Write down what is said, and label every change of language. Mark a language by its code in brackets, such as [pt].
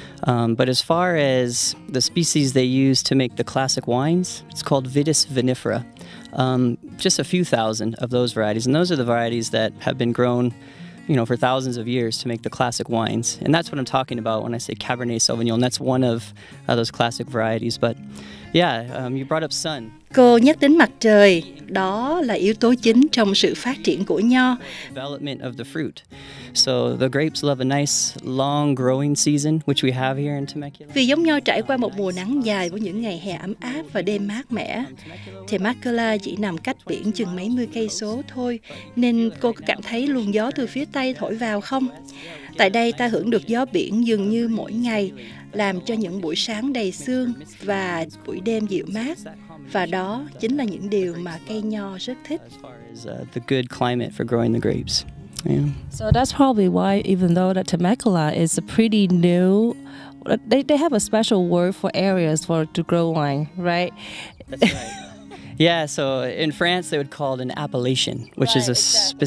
[en] But as far as the species they use to make the classic wines, it's called Vitis vinifera. Just a few thousand of those varieties. And those are the varieties that have been grown, you know, for thousands of years to make the classic wines. And that's what I'm talking about when I say Cabernet Sauvignon. That's one of those classic varieties. But yeah, you brought up sun. [vi] Cô nhắc đến mặt trời, đó là yếu tố chính trong sự phát triển của nho. [en] Development of the fruit. So the grapes love a nice long growing season, which we have here in Temecula. [vi] Vì giống nho trải qua một mùa nắng dài với những ngày hè ấm áp và đêm mát mẻ. Temecula chỉ nằm cách biển chừng mấy mươi cây số thôi, nên cô có cảm thấy luồng gió từ phía Tây thổi vào không? Tại đây ta hưởng được gió biển dường như mỗi ngày, làm cho những buổi sáng đầy sương và buổi đêm dịu mát. Và đó chính là những điều mà cây nho rất thích. [en] The good climate for growing the grapes. Yeah. So that's probably why, even though that Temecula is a pretty new, they have a special word for areas for to grow wine, right? That's right. Yeah, so in France they would call it an appellation, which right, is a exactly,